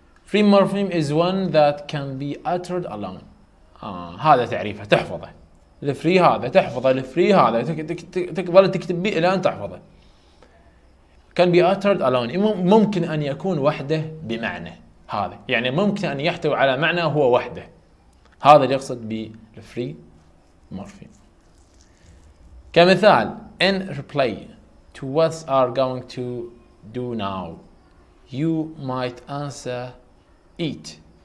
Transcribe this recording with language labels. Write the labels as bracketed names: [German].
[English] free morpheme is one that can be uttered alone. [Arabic] هذا تعريفه، تحفظه. الfree هذا تحفظه، الfree هذا تقدر تكتب بيه الان تحفظه. [English] can be uttered alone. [Arabic] ممكن أن يكون وحده بمعنى هذا. يعني ممكن أن يحتوي على معنى هو وحده. هذا اللي يقصد بالfree morpheme. [English] كمثال in reply to what are going to do now, you might answer eat.